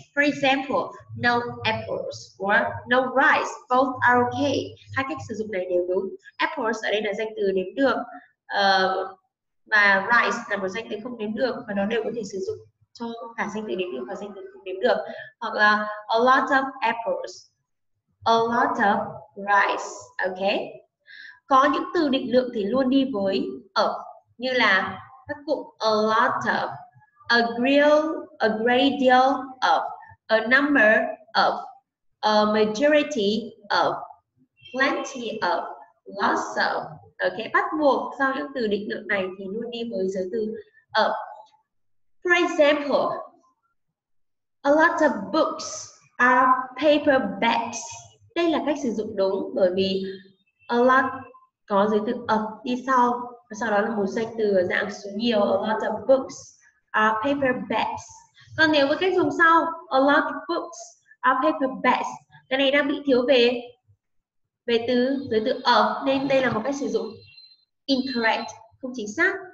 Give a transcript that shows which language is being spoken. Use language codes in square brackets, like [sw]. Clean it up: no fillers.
[en] For example, no apples or no rice. Both are okay. [vi] Hai cách sử dụng này đều đúng. Apples ở đây là danh từ đếm được, và rice là một danh từ không đếm được và nó đều có thể sử dụng cho cả danh từ đếm được và danh từ không đếm được. Hoặc là [en] a lot of apples, a lot of rice. Okay. [vi] Có những từ định lượng thì luôn đi với of, như là các cụm [en] a lot of, a great, a great deal of, a number of, a majority of, plenty of, lots of. [vi] Ok, bắt buộc sau những từ định lượng này thì luôn đi với giới từ of. [en] For example, a lot of books are paperbacks. [vi] Đây là cách sử dụng đúng bởi vì a lot có giới từ of đi sau, và sau đó là một danh từ dạng số nhiều, [en] a lot of books are paperbacks. [vi] Còn nếu với cách dùng sau, [en] a lot of books are paperbacks, [vi] cái này đang bị thiếu về về từ giới từ of nên đây là một cách sử dụng incorrect, không chính xác.